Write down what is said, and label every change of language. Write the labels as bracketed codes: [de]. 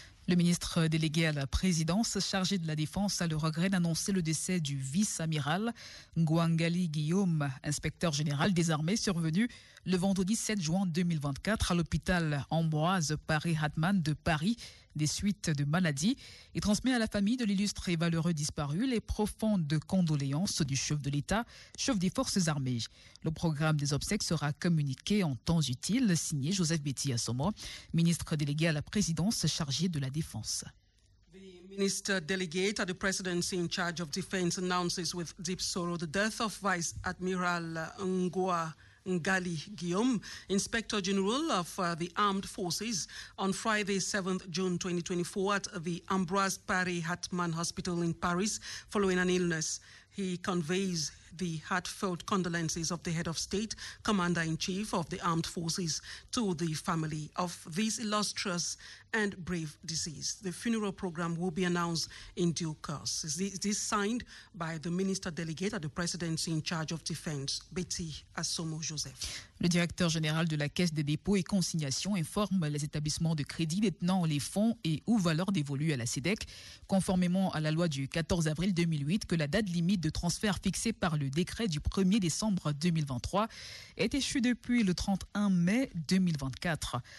[fr] Le ministre délégué à la présidence chargé de la défense a le regret d'annoncer le décès du vice-amiral Ngwangali Guillaume, inspecteur général des armées, survenu le vendredi 7 juin 2024 à l'hôpital Ambroise Paré-Hatman de Paris, des suites de maladie, et transmet à la famille de l'illustre et valeureux disparu les profondes condoléances du chef de l'État, chef des forces armées. Le programme des obsèques sera communiqué en temps utile, signé Joseph Betty Assomo, ministre délégué à la présidence chargé de la défense. [en] Minister delegate at the presidency in charge of defense announces with deep sorrow the death of Vice Admiral Ngwangali Guillaume, Inspector General of the Armed Forces, on Friday, 7th June 2024, at the Ambroise Paré-Hatman Hospital in Paris, following an illness. He conveys the heartfelt condolences of the Head of State, Commander-in-Chief of the Armed Forces, to the family of this illustrious and brave deceased. The funeral program will be announced in due course. This signed by the Minister Delegate at the Presidency in charge of Defense, Betty Assomo Joseph. [fr] Le directeur général de la Caisse des dépôts et consignations informe les établissements de crédit détenant les fonds et ou valeurs dévolues à la SEDEC, conformément à la loi du 14 avril 2008, que la date limite de transfert fixée par le décret du 1er décembre 2023 est échue depuis le 31 mai 2024.